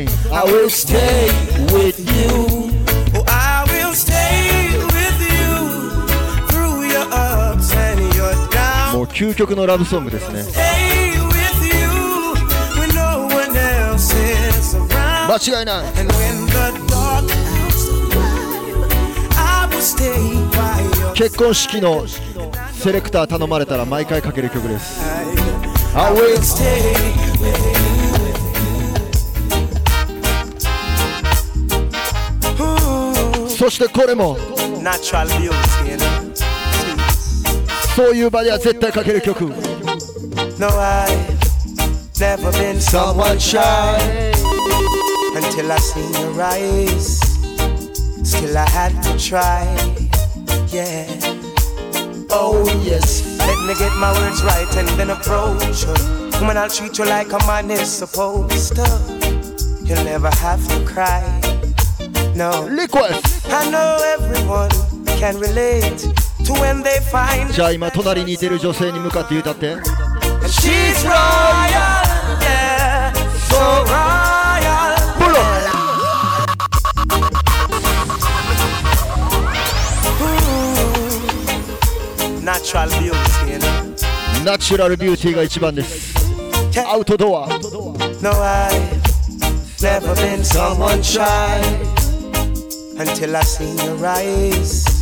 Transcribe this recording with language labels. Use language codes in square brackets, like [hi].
[en] I will stay with you、oh, I will stay with you through your ups and your downs。 [ja] もう究極のラブソングですね。 [en] Stay with you when no one else is around。 [ja] 間違いない。 [en] And when the dark clouds arrive I will stay by your side。 [ja] 結婚式のセレクター頼まれたら毎回かける曲です。 [en] I will stay with you. [ja] そしてこれも [en] Natural beauty, you know? [ja] そういう場では絶対かける曲。 [en] No, I've never been someone shy Until I seen your eyes Still I had to try, yeahOh yes, let me get my words right and then approach her. Woman, I'll treat you like a man is supposed to. You'll never have to cry. No, liquid. I know everyone can relate to when they find. [ja] じゃあ今隣にいてる女性に向かって歌って。 [en] She's royal, yeah, so royal. Pull up. [ja] ナチュラルビューティーが一番です。アウトドア。 [en] No, I've never been someone shy until I seen your eyes.